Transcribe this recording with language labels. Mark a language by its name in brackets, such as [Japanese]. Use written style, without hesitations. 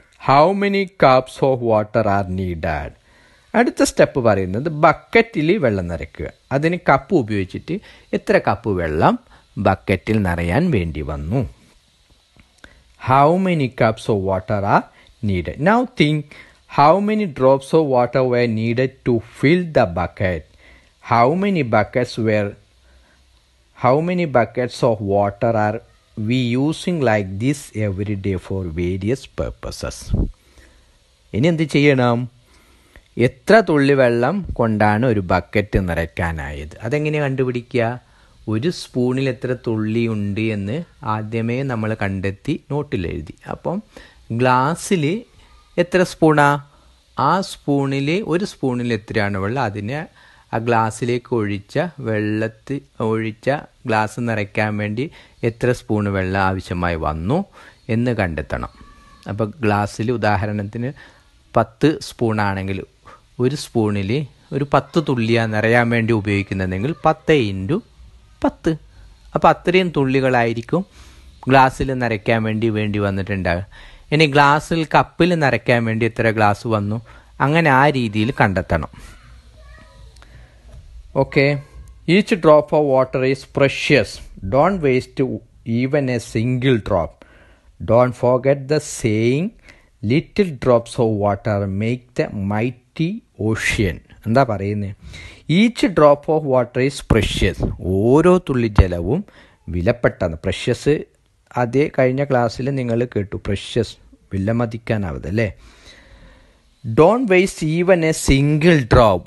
[English] How many cups of water are needed. [Malayalam] അടുത്ത step പറയുന്നത് ബക്കറ്റിൽ വെള്ളം നിറയ്ക്കുക, അതിന് കപ്പ് ഉപയോഗിച്ചിട്ട് എത്ര കപ്പ് വെള്ളം ബക്കറ്റിൽ നിറയാൻ വേണ്ടി വന്നു. [English] How many cups of water are needed. Now think, how many drops of water were needed to fill the bucket. How many buckets were, how How many buckets of water are we using like this every day for various purposes? [Malayalam] ഇനി എന്ത് ചെയ്യണം? എത്ര തുള്ളി വെള്ളം കൊണ്ടാണ് ഒരു bucket നിറയ്ക്കാനായത്? അതെങ്ങനെ കണ്ടുപിടിക്കുക? ഒരു സ്പൂണിൽ എത്ര തുള്ളിയുണ്ട് എന്ന് ആദ്യമേ നമ്മൾ കണ്ടെത്തി നോട്ടിലെഴുതി. അപ്പം ഗ്ലാസ്സിൽ എത്ര സ്പൂണാ? ആ സ്പൂണിൽ ഒരു സ്പൂണിൽ എത്രയാണ് വെള്ളം? അതിനെ ആ ഗ്ലാസ്സിലേക്ക് ഒഴിച്ച വെള്ളത്തിൽ ഒഴിച്ച ഗ്ലാസ് നിറയ്ക്കാൻ വേണ്ടി എത്ര സ്പൂൺ വെള്ളം ആവശ്യമായി വന്നു എന്ന് കണ്ടെത്തണം. അപ്പോൾ ഗ്ലാസ്സിൽ ഉദാഹരണത്തിന് 10 സ്പൂണാണെങ്കിൽ ഒരു സ്പൂണിൽ ഒരു 10 തുള്ളിയാണ് നിറയാൻ വേണ്ടി ഉപയോഗിക്കുന്നതെങ്കിൽ 10 × 10, അപ്പോൾ അത്രയും തുള്ളികളായിരിക്കും ഗ്ലാസ്സിൽ നിറയ്ക്കാൻ വേണ്ടി വന്നിട്ടുണ്ടാകുക. ഇനി ഗ്ലാസ്സിൽ കപ്പിൽ നിറയ്ക്കാൻ വേണ്ടി എത്ര ഗ്ലാസ് വന്നു, അങ്ങനെ ആ രീതിയിൽ കണ്ടെത്തണം. [English] Okay, each drop of water is precious, don't waste even a single drop. Don't forget the saying, little drops of water make the mighty ocean. [Malayalam] എന്താ പറയുന്നത്? [English] Each drop of water is precious. [Malayalam] ഓരോ തുള്ളി ജലവും വിലപ്പെട്ടതാണ്. Precious അതേ കഴിഞ്ഞ ക്ലാസ്സിൽ നിങ്ങൾ കേട്ടു, പ്രഷ്യസ് വിലമതിക്കാനാവത് അല്ലേ. [English] Don't waste even a single drop.